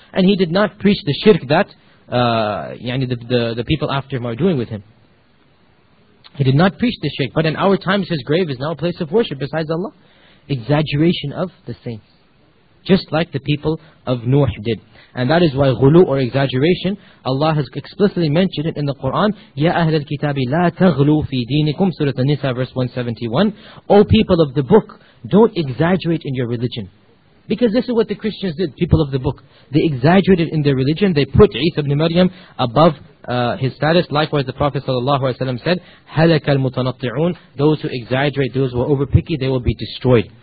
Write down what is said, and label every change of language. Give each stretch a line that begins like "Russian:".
English: And he did not preach the shirk that the people after him are doing with him. He did not preach the shirk. But in our times, his grave is now a place of worship besides Allah. Exaggeration of the saints. Just like the people of Nuh did. And that is why ghulu or exaggeration, Allah has explicitly mentioned it in the Quran.
Arabic: Ya أَهْلَ الْكِتَابِ لَا تَغْلُوا فِي دِينِكُمْ
English: Surah An-Nisa, verse 171. O people of the book, don't exaggerate in your religion. Because this is what the Christians did, people of the book. They exaggerated in their religion. They put Isa ibn Maryam above his status. Likewise, the Prophet ﷺ said,
Arabic: هَلَكَ الْمُتَنَطِّعُونَ
English: Those who exaggerate, those who are overpicky, they will be destroyed.